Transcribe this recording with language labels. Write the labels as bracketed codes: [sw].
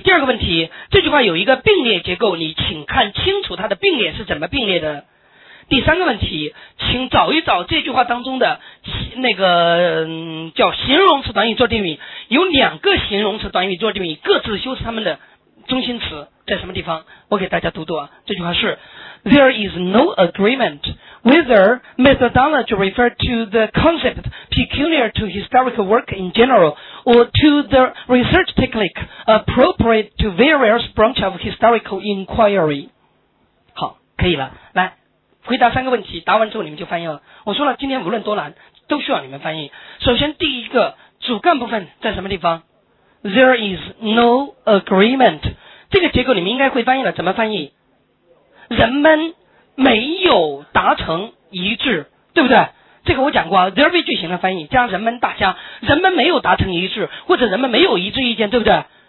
[zh] 第二个问题，这句话有一个并列结构，你请看清楚它的并列是怎么并列的。第三个问题，请找一找这句话当中的那个叫形容词短语做定语，有两个形容词短语做定语各自修饰它们的中心词在什么地方。我给大家读读啊，这句话是 [en] There is no agreement whether methodology refer to the concept peculiar to historical work in general or to the research technique appropriate to various branch of historical inquiry。 [zh] 好，可以了，来回答三个问题，答完之后你们就翻译了。我说了，今天无论多难都需要你们翻译。首先第一个主干部分在什么地方， [en] There is no agreement， [zh] 这个结构你们应该会翻译了，怎么翻译，人们没有达成一致，对不对，这个我讲过 there be 句型的翻译，加人们大家，人们没有达成一致，或者人们没有一致意见，对不对。